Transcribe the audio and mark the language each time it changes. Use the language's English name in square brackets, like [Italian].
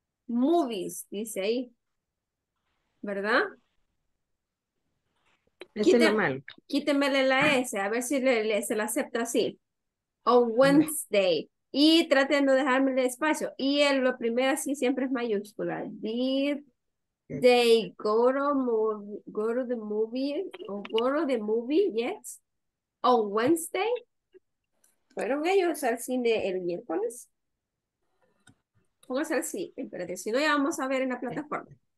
[Spanish] Movies, dice ahí. ¿Verdad? Ese es lo malo. Quítemele la S, a ver si se la acepta así. O Wednesday. Y traten de dejarme el espacio. Y lo primero así siempre es mayúscula. Did [English] They go to the movie o go to the movie, yes, on Wednesday. [Spanish] ¿Fueron ellos al cine el miércoles? Póngase así, espérate, si no ya vamos a ver en la plataforma.